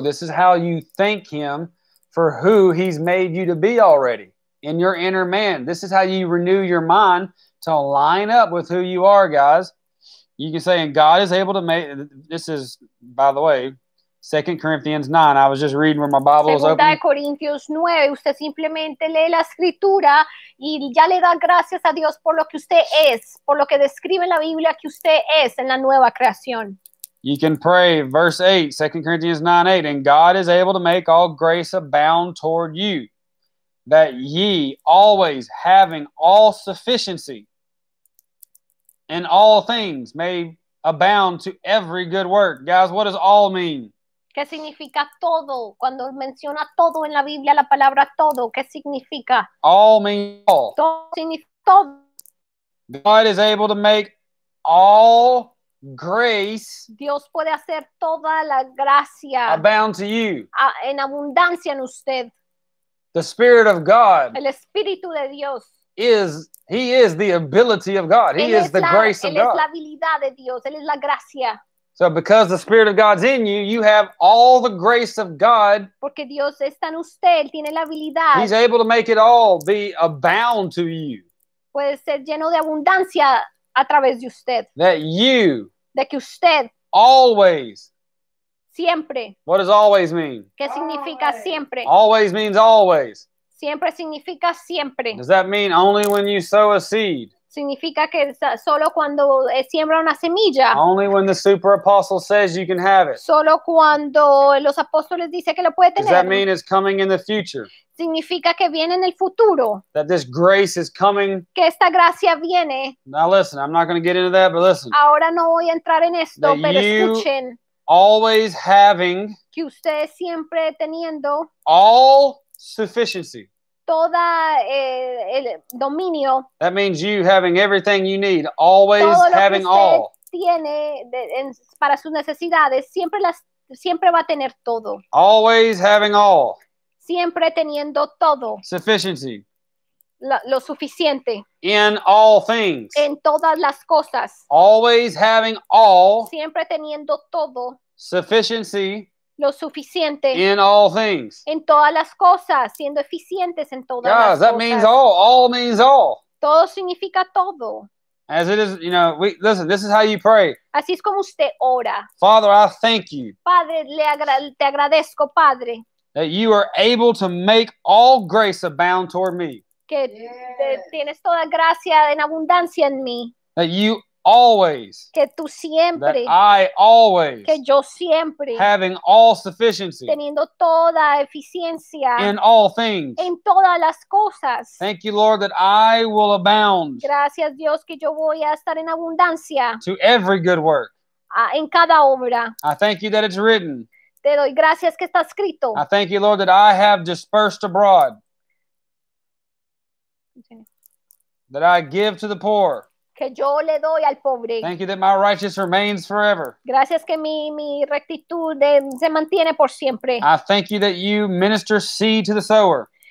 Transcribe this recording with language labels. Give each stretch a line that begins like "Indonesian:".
English: This is how you thank him for who he's made you to be already in your inner man. This is how you renew your mind to line up with who you are, guys. You can say, and God is able to make, this is, by the way, 2 Corinthians 9. I was just reading where my Bible was open. 2 Corinthians 9.
Spanish: Usted simplemente lee la escritura y ya le da gracias a Dios por lo que usted es, por lo que describe en la Biblia que usted es en la nueva creación.
English: You can pray, verse 8, 2 Corinthians 9, 8. And God is able to make all grace abound toward you, that ye always having all sufficiency in all things may abound to every good work. Guys, what does all mean?
Spanish: ¿Qué significa todo? Cuando menciona todo en la Biblia, la palabra todo, ¿qué significa?
English: All means all.
Spanish: Todo significa todo.
English: God is able to make all grace.
Spanish: Dios puede hacer toda la gracia.
English: Abound to you.
Spanish: En abundancia en usted.
English: The Spirit of God.
Spanish: El Espíritu de Dios.
English: Is he is the ability of God. He
Spanish: él
English: is the
Spanish: la,
English: grace of
Spanish: él
English: God.
Spanish: Es la habilidad de Dios. Él es la gracia.
English: So because the Spirit of God's in you, you have all the grace of God.
Spanish: Porque Dios está en usted, él tiene la habilidad.
English: He's able to make it all be abound to you.
Spanish: Puede ser lleno de abundancia a través de usted.
English: That you.
Spanish: De que usted.
English: Always.
Spanish: Siempre.
English: What does always mean?
Spanish: ¿Qué significa siempre?
English: Always means always.
Spanish: Siempre significa siempre.
English: Does that mean only when you sow a seed?
Spanish: Significa que solo cuando siembra una semilla.
English: Only when the super apostle says you can have it.
Spanish: Solo cuando los apóstoles dicen que lo puede tener.
English: Does that mean it's coming in the future?
Spanish: Significa que viene en el futuro.
English: That this grace is coming.
Spanish: Que esta gracia viene.
English: Now listen, I'm not going to get into that, but listen.
Spanish: Ahora no voy a entrar en esto,
English: that
Spanish: pero escuchen.
English: Always having.
Spanish: Que ustedes siempre teniendo.
English: All sufficiency.
Spanish: Toda el dominio.
English: That means you having everything you need, always having all.
Spanish: Todo lo que usted tiene para sus necesidades, siempre va a tener todo.
English: Always having all.
Spanish: Siempre teniendo todo.
English: Sufficiency.
Spanish: Lo suficiente.
English: In all things.
Spanish: En todas las cosas.
English: Always having all.
Spanish: Siempre teniendo todo.
English: Sufficiency.
Spanish: Lo suficiente.
English: In all things.
Spanish: En todas las cosas, siendo eficientes en todas
English: Guys,
Spanish: las
English: that
Spanish: cosas.
English: Means all. All means all.
Spanish: Todo significa todo.
English: As it is, you know, listen, this is how you pray.
Spanish: Así es como usted ora.
English: Father, I thank you.
Spanish: Padre, te agradezco, Padre.
English: That you are able to make all grace abound toward me.
Spanish: Que tienes toda gracia en abundancia en mí.
English: That you always.
Spanish: Que tú siempre.
English: That I always.
Spanish: Que yo siempre.
English: Having all sufficiency.
Spanish: Teniendo toda eficiencia.
English: In all things.
Spanish: En todas las cosas.
English: Thank you, Lord, that I will abound.
Spanish: Gracias, Dios, que yo voy a estar en abundancia.
English: To every good work.
Spanish: En cada obra.
English: I thank you that it's written.
Spanish: Te doy gracias que está escrito.
English: I thank you, Lord, that I have dispersed abroad. Okay. That I give to the poor.
Spanish: Que yo le doy al pobre.
English: Thank you that my righteousness remains forever.
Spanish: Gracias que mi rectitud se mantiene por siempre.
English: I thank you that you minister seed to the sower.